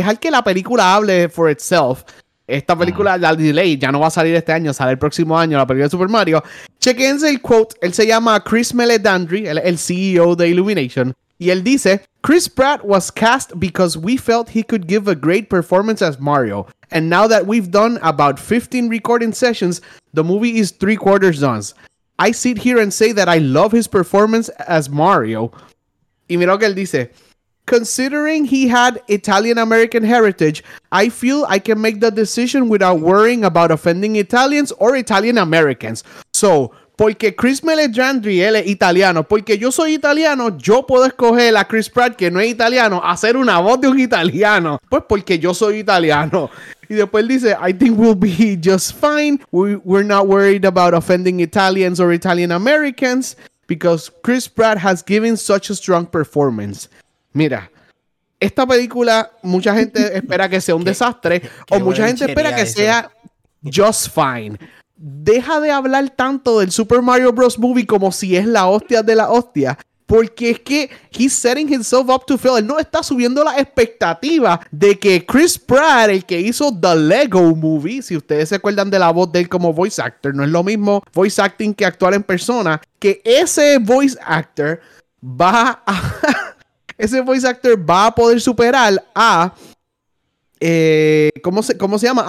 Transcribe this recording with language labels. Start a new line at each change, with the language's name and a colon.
Spanish: la película hable
English: for itself,
Spanish: esta película, la delay, ya no va a salir este año, sale el próximo año, la película de Super Mario, chequense el quote, él se llama Chris Meledandri, el CEO de Illumination, y él dice:
English: Chris Pratt was cast because we felt he could give a great performance as Mario. And now that we've done about 15 recording sessions, the movie is 3/4 done. I sit here and say that I love his performance as Mario.
Spanish: Y mira lo que él dice.
English: considering he had Italian-American heritage, I feel I can make the decision without worrying about offending Italians or Italian-Americans.
Spanish: So, porque Chris Meledandri, él es italiano, porque yo soy italiano, yo puedo escoger a Chris Pratt, que no es italiano, a hacer una voz de un italiano. Pues porque yo soy italiano. Y después él dice,
English: I think we'll be just fine. We're not worried about offending Italians or Italian-Americans. Because Chris Pratt has given such a strong performance.
Spanish: Mira, esta película, mucha gente espera que sea un desastre. O mucha gente espera que sea
English: just fine.
Spanish: Deja de hablar tanto del Super Mario Bros. Movie como si es la hostia de la hostia. Porque es que
English: he's setting himself up to fail.
Spanish: Él no está subiendo la expectativa de que Chris Pratt, el que hizo The Lego Movie, si ustedes se acuerdan de la voz de él como voice actor, no es lo mismo voice acting que actuar en persona, que ese voice actor va a ese voice actor va a poder superar a ¿cómo se llama?